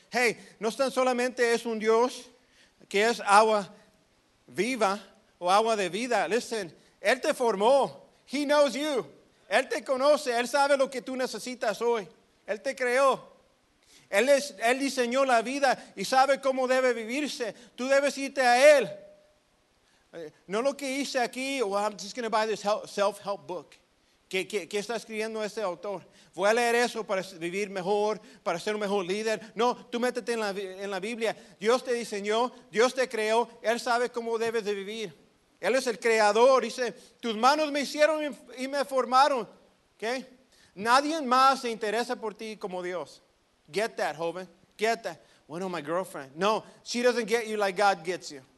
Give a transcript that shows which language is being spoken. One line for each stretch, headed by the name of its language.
Spanish: Hey, no tan solamente es un Dios que es agua viva o agua de vida. Listen, Él te formó.
English: He knows you.
Spanish: Él te conoce. Él sabe lo que tú necesitas hoy. Él te creó. Él diseñó la vida y sabe cómo debe vivirse. Tú debes irte a Él. No lo que hice aquí,
English: well, I'm just going to buy this self-help book.
Spanish: ¿Qué está escribiendo este autor? Voy a leer eso para vivir mejor, para ser un mejor líder. No, tú métete en la Biblia. Dios te diseñó, Dios te creó. Él sabe cómo debes de vivir. Él es el creador. Dice, tus manos me hicieron y me formaron. ¿Okay? Nadie más se interesa por ti como Dios.
English: Get that, joven. Get that. Bueno, my girlfriend. No, she doesn't get you like God gets you.